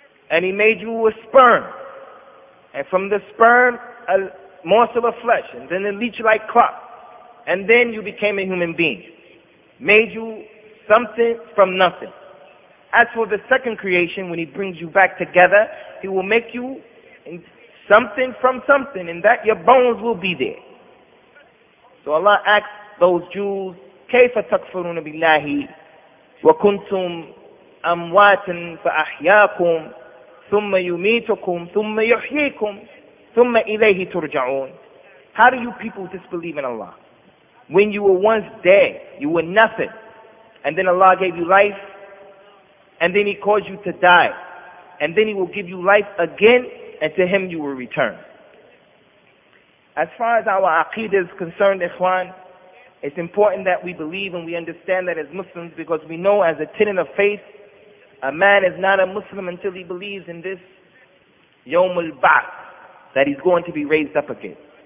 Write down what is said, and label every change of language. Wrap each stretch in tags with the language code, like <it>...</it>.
<en>And he made you a sperm. And from the sperm, a morsel of flesh, and then a leech-like clock. And then you became a human being. Made you something from nothing. As for the second creation, when he brings you back together, he will make you something from something, and that your bones will be there. So Allah asks those Jews,</en> <ar>كَيْفَ تَكْفُرُونَ بِاللَّهِ وَكُنْتُمْ أَمْوَاتٍ فَأَحْيَاكُمْ ثُمَّ يُمِيتُكُمْ ثُمَّ يُحْيِيكُمْ ثُمَّ إِلَيْهِ تُرْجَعُونَ.</ar> <en>How do you people disbelieve in Allah? When you were once dead, you were nothing, and then Allah gave you life, and then he caused you to die, and then he will give you life again, and to him you will return. As far as our aqidah is concerned, ikhwan, it's important that we believe and we understand that as Muslims, because we know as a tenet of faith, a man is not a Muslim until he believes in this Yawm al-Ba'th, that he's going to be raised up again.</en>